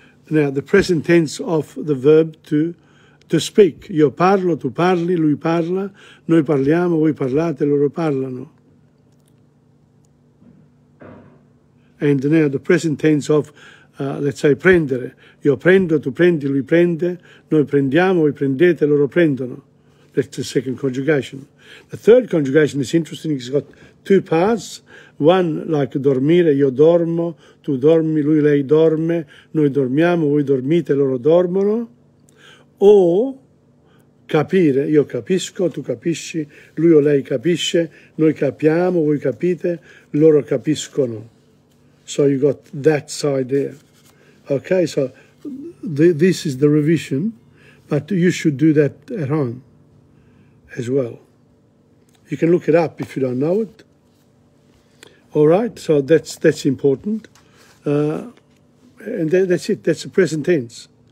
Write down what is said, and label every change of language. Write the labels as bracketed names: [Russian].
[English] Now, the present tense of the verb to speak. [Italian] Io parlo, tu parli, lui parla. Noi parliamo, voi parlate, loro parlano. [English] And now, the present tense of let's say prendere. [Italian] Io prendo, tu prendi, lui prende, noi prendiamo, voi prendete, loro prendono. [English] That's the second conjugation. The third conjugation is interesting. It's got two parts. One like [Italian] dormire, io dormo, tu dormi, lui, lei dorme, noi dormiamo, voi dormite, loro dormono. O capire, io capisco, tu capisci, lui o lei capisce, noi capiamo, voi capite, loro capiscono. [English] So you got that side there. Okay, so this is the revision, but you should do that at home as well. You can look it up if you don't know it. All right, so that's important. And that's it, that's the present tense.